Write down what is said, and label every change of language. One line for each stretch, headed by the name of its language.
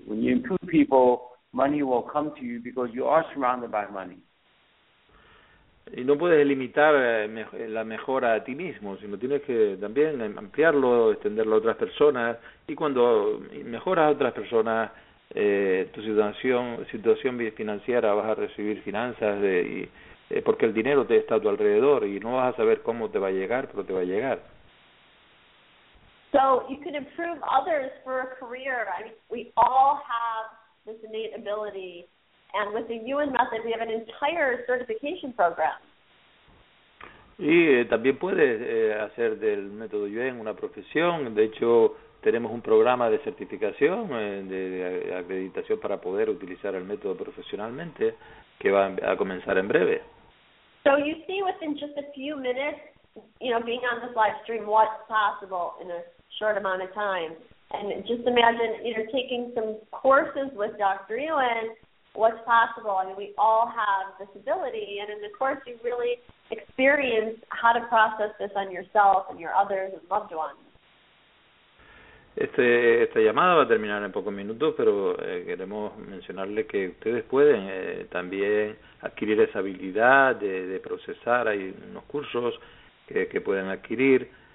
English: When you improve people, money will come to you because you are surrounded by money.
Spanish: Y no puedes limitar la mejora a ti mismo, sino tienes que también ampliarlo, extenderlo a otras personas. Y cuando mejoras a otras personas, tu situación financiera, vas a recibir finanzas porque el dinero te está a tu alrededor y no vas a saber cómo te va a llegar, pero te va a llegar.
English: So you can improve others for a career. I mean, we all have this innate ability. And with the UN method, we have an entire certification program.
Spanish: Y también puedes hacer del método UN una profesión. De hecho, tenemos un programa de certificación, de acreditación para poder utilizar el método profesionalmente, que va a comenzar en breve.
English: So you see within just a few minutes, you know, being on this live stream, what's possible in a short amount of time. And just imagine, you know, taking some courses with Dr. Ewan, what's possible. I mean, we all have this ability, and in the course you really experience how to process this on yourself and your others and loved ones.
Spanish: Esta llamada va a terminar en pocos minutos, pero queremos mencionarle que ustedes pueden también adquirir esa habilidad de procesar. Hay unos cursos que pueden adquirir.